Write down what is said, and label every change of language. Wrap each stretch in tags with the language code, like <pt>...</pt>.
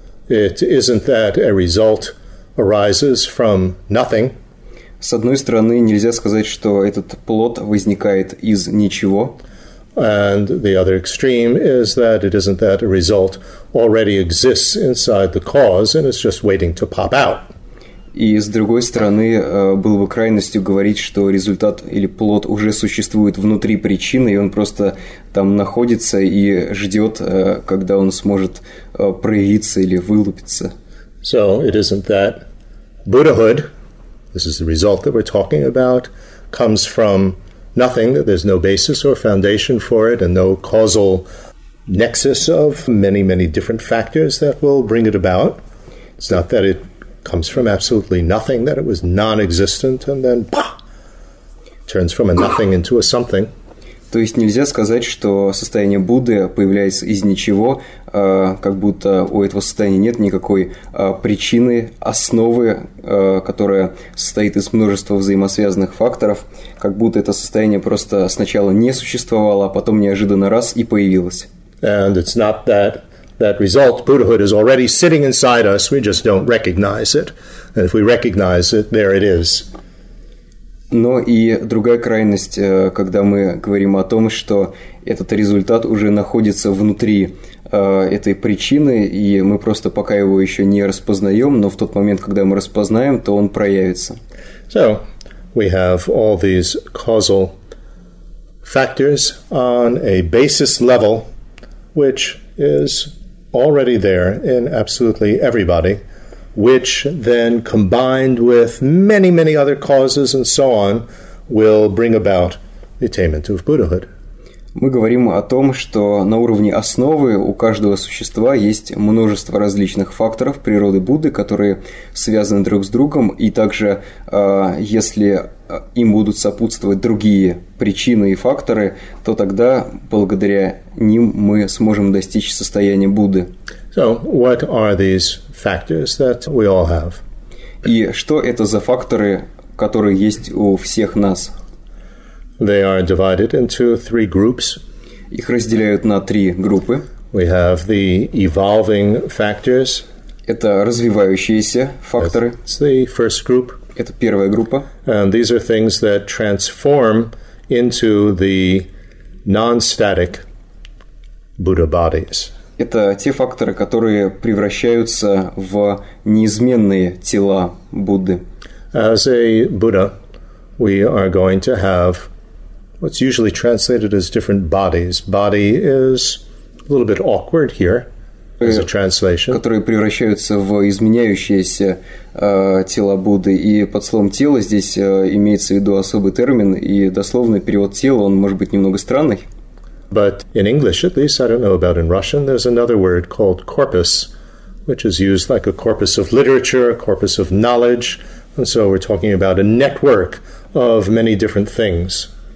<en>It isn't that a result arises from nothing.</en> <ru>С одной стороны, нельзя сказать, что этот плод возникает из ничего.</ru> <en>And the other extreme is that it isn't that a result already exists inside the cause and it's just waiting to pop out.</en> <ru>И с другой стороны, было бы крайностью говорить, что результат или плод уже существует внутри причины, и он просто там находится и ждет, когда он сможет проявиться или вылупиться.</ru> <en>So it isn't that Buddhahood, this is the result that we're talking about, comes from nothing, that there's no basis or foundation for it, and no causal nexus of many, many different factors that will bring it about. It's not that it comes from absolutely nothing, that it was non-existent, and then, bah, turns from a nothing into a something.</en> <ru>То есть нельзя сказать, что состояние Будды появляется из ничего, как будто у этого состояния нет никакой причины, основы, которая состоит из множества взаимосвязанных факторов, как будто это состояние просто сначала не существовало, а потом неожиданно раз и появилось.</ru> <en>And it's not that result, Buddhahood is already sitting inside us, we just don't recognize it. And if we recognize it, there it is.</en> <ru>Но и другая крайность, когда мы говорим о том, что этот результат уже находится внутри этой причины, и мы просто пока его еще не распознаем, но в тот момент, когда мы распознаем, то он проявится.</ru> <en>So, we have all these causal factors on a basis level, which is already there in absolutely everybody, which then combined with many, many other causes and so on will bring about the attainment of Buddhahood.</en> <ru>Мы говорим о том, что на уровне основы у каждого существа есть множество различных факторов природы Будды, которые связаны друг с другом, и также, если им будут сопутствовать другие причины и факторы, то тогда, благодаря ним, мы сможем достичь состояния Будды.</ru> <en>So, what are these factors that we all have?</en> <ru>И что это за факторы, которые есть у всех нас?</ru> <en>They are divided into three groups.</en> <ru>Их разделяют на три группы.</ru> <en>We have the evolving factors.</en> <ru>Это развивающиеся факторы.</ru> <en>It's the first group.</en> <ru>Это первая группа.</ru> <en>And these are things that transform into the non-static Buddha bodies.</en> <ru>Это те факторы, которые превращаются в неизменные тела Будды.</ru> <en>As a Buddha, we are going to have what's usually translated as different bodies. Body is a little bit awkward here as a translation.</en> <ru>Которые превращаются в изменяющиеся тела Будды. И под словом «тело» здесь имеется в виду особый термин, и дословный перевод «тело», он может быть немного странный.</ru> <en>But in English, at least, I don't know about in Russian, there's another word called corpus, which is used like a corpus of literature, a corpus of knowledge. And so we're talking about a network of many different things.</en>